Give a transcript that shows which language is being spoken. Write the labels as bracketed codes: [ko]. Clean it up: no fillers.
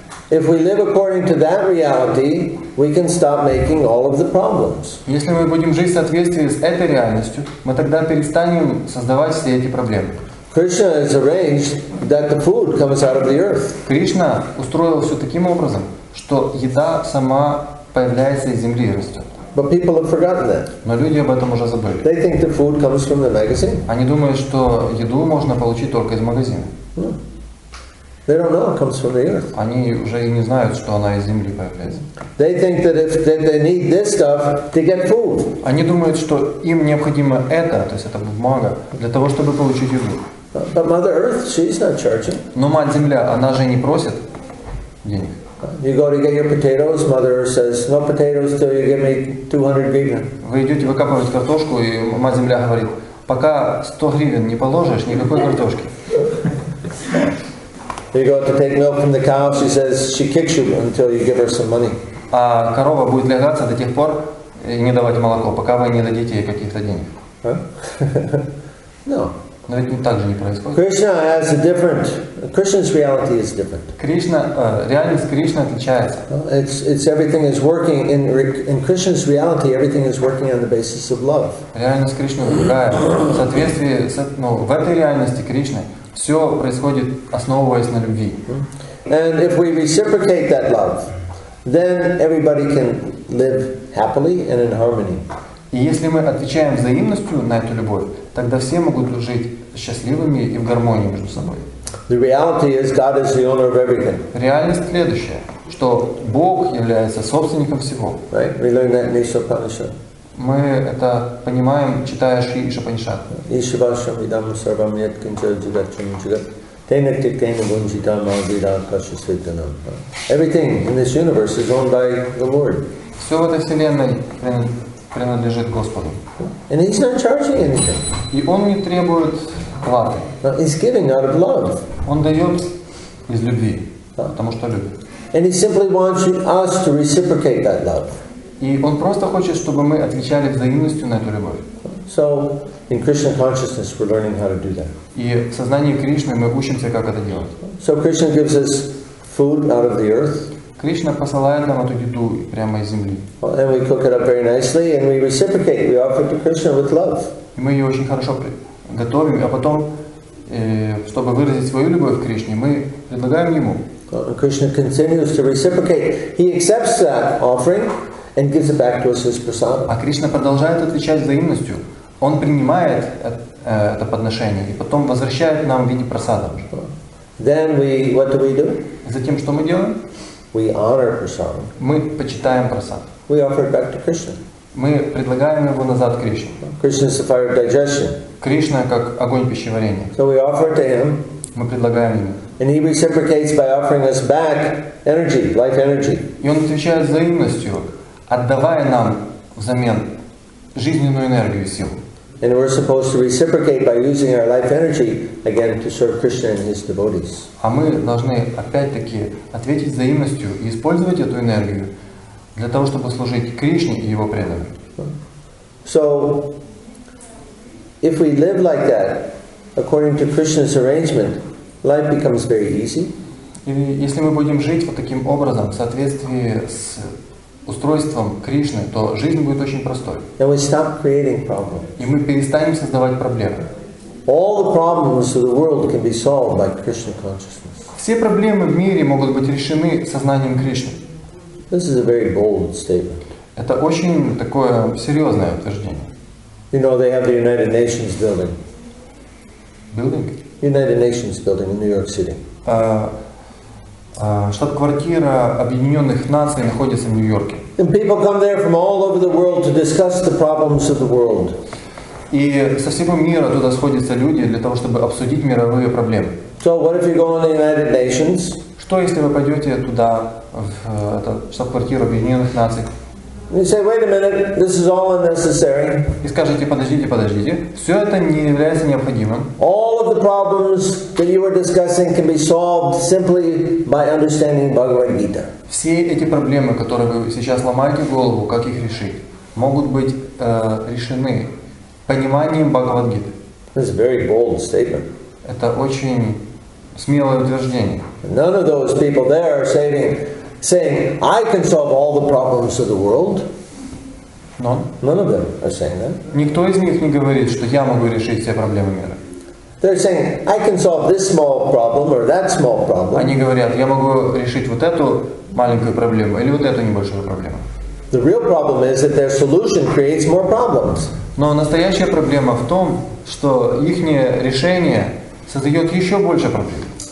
[en] If we live according to that reality, we can stop making all of the problems. [ru] Если мы будем жить в соответствии с этой реальностью, мы тогда перестанем создавать все эти проблемы. [en] Krishna has arranged that the food comes out of the earth. [ru] Кришна устроил все таким образом, что еда сама появляется из земли и растет. [en] But people have forgotten that. [ru] Но люди об этом уже забыли. [en] They think the food comes from the magazine. [ru] Они думают, что еду можно получить только из магазина. [en] They don't know it comes from the earth. [ru] Они уже и не знают, что она из земли появляется. [en] They think that if they need this stuff to get food. [ru] Они думают, что им необходимо это, то есть эта бумага, для того, чтобы получить еду. [en] But Mother Earth, she's not charging. [ru] Но мать земля, она же не просит денег. [en] You go to get your potatoes, Mother Earth says, no potatoes till you give me 200 гривен. [ru] Вы идете выкапывать картошку, и мать земля говорит, Пока 100 гривен не положишь, никакой картошки. [en] You go to take milk from the cow, she says she kicks you until you give her some money. [ru] А корова будет лягаться до тех пор и не давать молоко, пока вы не дадите ей каких-то денег. [en] No. [ru] Но ведь так же не происходит. [en] Krishna has a different. Krishna's reality is different. [ru] Кришна, реальность Кришны отличается. [en] It's everything is working in Krishna's reality. Everything is working on the basis of love. [ru] Реальность Кришны другая. В соответствии, ну, в этой реальности Кришны все происходит, основываясь на любви. [en] And if we reciprocate that love, then everybody can live happily and in harmony. [ru] И если мы отвечаем взаимностью на эту любовь, тогда все могут жить счастливыми и в гармонии между собой. [en] The reality is God is the owner of everything. [ru] Реальность следующая, что Бог является собственником всего. [en] Right? We learn that in Isha Upanishad. [ru] Мы это понимаем, читая Шри Иша Панишат. [sa] Ишивашам идам сарвам ят кинча джигачам джигат. Тейна тик тейна бунжитам аудидам каши свиданам. [en] Everything in this universe is owned by the Lord. [ru] Все в этой вселенной принадлежит Господу. [en] And he's not charging anything. [ru] И он не требует платы. [en] But he's giving out of love. [ru] Он дает из любви, потому что любит. [en] And he simply wants us to reciprocate that love. [ru] И он просто хочет, чтобы мы отвечали взаимностью на эту любовь. [en] So in Krishna consciousness we're learning how to do that. [ru] И в сознании Кришны мы учимся, как это делать. [en] So Krishna gives us food out of the earth. [ru] Кришна посылает нам эту еду прямо из земли. [en] And we cook it up very nicely, and we reciprocate. We offer to Krishna with love. [ru] И мы ее очень хорошо готовим, а потом, чтобы выразить свою любовь к Кришне, мы предлагаем ему. [en] And Krishna continues to reciprocate. He accepts that offering and gives it back to us as prasada. [ru] А Кришна продолжает отвечать взаимностью. Он принимает это подношение и потом возвращает нам в виде прасада. [en] Then we, what do we do? [ru] Затем что мы делаем? [en] We honor prasada. [ru] Мы почитаем прасад. [en] We offer it back to Krishna. [ru] Мы предлагаем его назад Кришне. [en] Krishna is the fire of digestion. [ru] Кришна как огонь пищеварения. [en] So we offer it to him. [ru] Мы предлагаем ему. [en] And he reciprocates by offering us back energy, life energy. [ru] И он отвечает взаимностью, отдавая нам взамен жизненную энергию и силу. [en] And we're supposed to reciprocate by using our life energy again to serve Krishna and his devotees. [ru] А мы должны опять-таки ответить взаимностью и использовать эту энергию для того, чтобы служить Кришне и его преданным. [en] So, if we live like that, according to Krishna's arrangement, life becomes very easy. [ru] И если мы будем жить вот таким образом, в соответствии с устройством Кришны, то жизнь будет очень простой. [en] And we stop creating problems. [ru] И мы перестанем создавать проблемы. [en] All the problems of the world can be solved by Krishna consciousness. [ru] Все проблемы в мире могут быть решены сознанием Кришны. [en] This is a very bold statement. [ru] Это очень такое серьезное утверждение. [en] You know, they have the United Nations building. Building? United Nations building in New York City. [ru] Штаб-квартира Объединенных Наций находится в Нью-Йорке. [en] And people come there from all over the world to discuss the problems of the world. [ru] И со всего мира туда сходятся люди для того, чтобы обсудить мировые проблемы. [en] So what if you go on the United Nations? [ru] Что если вы пойдете туда, в штаб-квартиру Объединенных Наций? [en] You say, wait a minute, this is all unnecessary. [ru] И скажете, подождите, подождите, все это не является необходимым. [en] All of the problems that you are discussing can be solved simply by understanding Bhagavad Gita. [ru] Все эти проблемы, которые вы сейчас ломаете голову, как их решить, могут быть решены пониманием Бхагавад Гиты. [en] This is a very bold statement. [ru] Это очень смелое утверждение. [en] None of those people there are saying, I can solve all the problems of the world. None of them are saying that. [ru] Никто из них не говорит, что я могу решить все проблемы мира. [en] They're saying, I can solve this small problem or that small problem. [ru] Они говорят, я могу решить вот эту маленькую проблему или вот эту небольшую проблему. [en] The real problem is that their solution creates more problems. [ru] Но настоящая проблема в том, что их решение создает еще больше проблем.